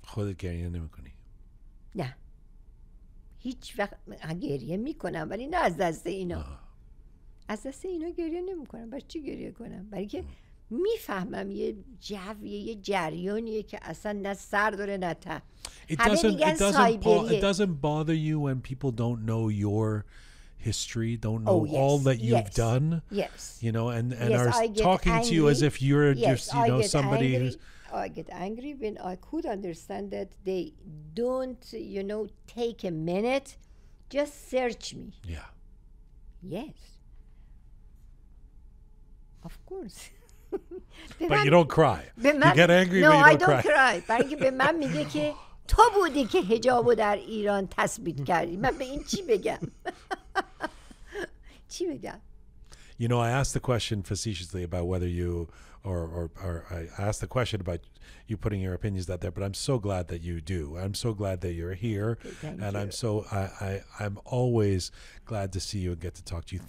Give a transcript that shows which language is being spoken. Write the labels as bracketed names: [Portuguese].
[Persian] خودت گریه نمیکنی؟ نه هیچ وقت گریه میکنم ولی نه از دست اینا از دست اینا گریه نمیکنم برای چی گریه کنم؟ برای که میفهمم یه جویه یه جریانیه که اصلا نه سر داره نه ته [English] It doesn't bother you when people don't know your history, don't know all that you've done. Yes. You know, and are talking to you as if you're just, you know, somebody who's... I get angry when I could understand that they don't, you know, take a minute, just search me. Yeah. Yes. Of course. But you don't cry. You get angry, no, but you don't cry. No, I don't cry. [Persian] برای اینکه به من میگه که تو بودی که حجابو در ایران تثبیت کردی. من به این چی بگم؟ چی بگم؟ [English] You know, I asked the question facetiously about whether you or I asked the question about you putting your opinions out there, but I'm so glad that you do. I'm so glad that you're here. Thank you. I'm always glad to see you and get to talk to you.